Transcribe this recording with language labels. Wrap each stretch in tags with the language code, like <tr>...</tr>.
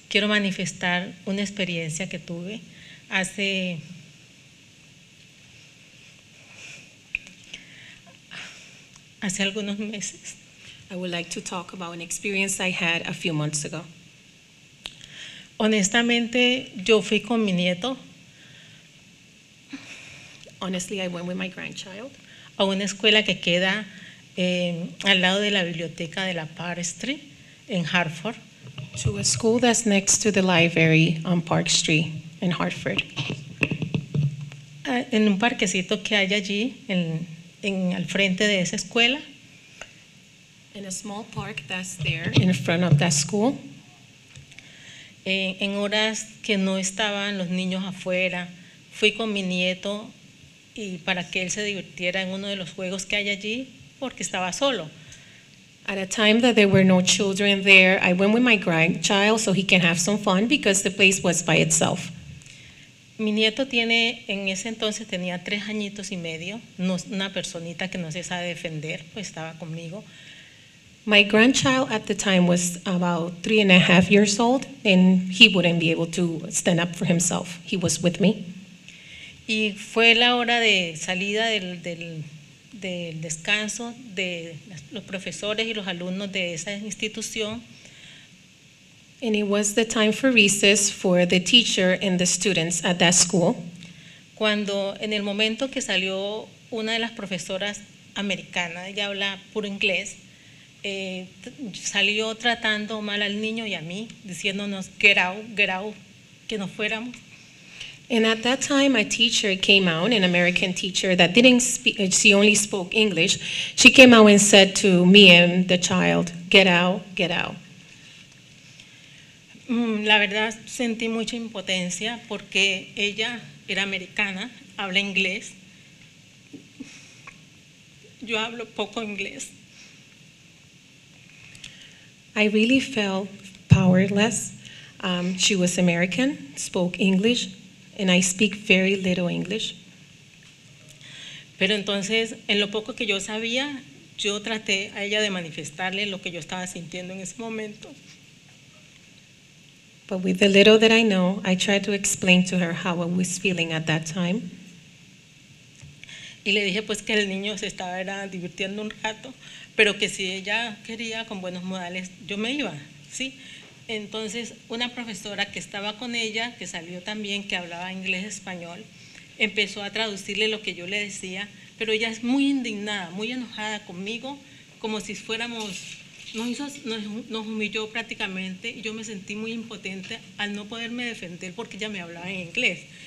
<es>Quiero manifestar una experiencia que tuve hace algunos meses.</es> <en>I would like to talk about an experience I had a few months ago.</en> <es>Honestamente, yo fui con mi nieto.</es> <en>Honestly, I went with my grandchild.</en> <es>A una escuela que queda al lado de la biblioteca de la Park Street en Hartford.</es> <en>To a school that's next to the library on Park Street in Hartford.</en> <es>En un parquecito que hay allí en al frente de esa escuela.</es> <en>In a small park that's there. In front of that school.</en> <es>En horas que no estaban los niños afuera, fui con mi nieto y para que él se divirtiera en uno de los juegos que hay allí, porque estaba solo.</es> <en>At a time that there were no children there, I went with my grandchild so he can have some fun because the place was by itself.</en> <es>Mi nieto tiene, en ese entonces tenía 3 añitos y medio, no, una personita que no se sabe defender, pues estaba conmigo.</es> <en>My grandchild at the time was about 3.5 years old, and he wouldn't be able to stand up for himself. He was with me.</en> <es>Y fue la hora de salida del descanso de los profesores y los alumnos de esa institución.</es> <en>And it was the time for recess for the teacher and the students at that school.</en> <es>Cuando en el momento que salió una de las profesoras americana, ella habla puro inglés. Salió tratando mal al niño y a mí, diciéndonos</es> <en>get out,</en> <es>que nos fuéramos.</es> <en>And at that time, a teacher came out, an American teacher that didn't speak, she only spoke English. She came out and said to me and the child, get out.</en> <es>La verdad, sentí mucha impotencia porque ella era americana, habla inglés. Yo hablo poco inglés.</es> <en>I really felt powerless. She was American, spoke English, and I speak very little English.</en> <es>Pero entonces, en lo poco que yo sabía, yo traté a ella de manifestarle lo que yo estaba sintiendo en ese momento.</es> <en>But with the little that I know, I tried to explain to her how I was feeling at that time.</en> <es>Y le dije pues que el niño se estaba era divirtiendo un rato. Pero que si ella quería con buenos modales, yo me iba, ¿sí? Entonces, una profesora que estaba con ella, que salió también, que hablaba inglés, español, empezó a traducirle lo que yo le decía, pero ella es muy indignada, muy enojada conmigo, como si fuéramos, nos humilló prácticamente, y yo me sentí muy impotente al no poderme defender porque ella me hablaba en inglés.</es>